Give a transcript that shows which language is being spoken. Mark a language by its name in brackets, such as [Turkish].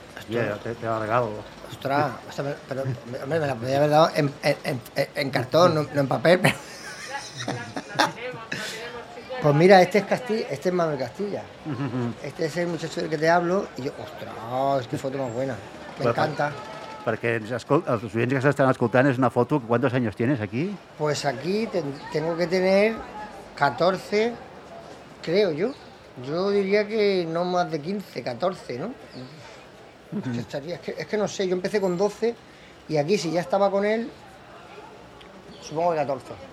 [Spanish] Te ha regalado. Ostras, esta, pero hombre, me la podía haber dado en cartón, no en papel. Pero... Pues mira, este es Castilla, este es Manuel Castilla. Este es el muchacho del que te hablo y yo, ostras, qué foto más buena. Me encanta. [Catalan] Perquè els oients que s'estan escoltant, és una foto, quants anys tens aquí? [Spanish] Pues aquí tengo que tener 14, creo yo. Yo diría que no más de 15, 14, ¿no? Es que no sé, yo empecé con 12 y aquí si ya estaba con él, supongo que 14.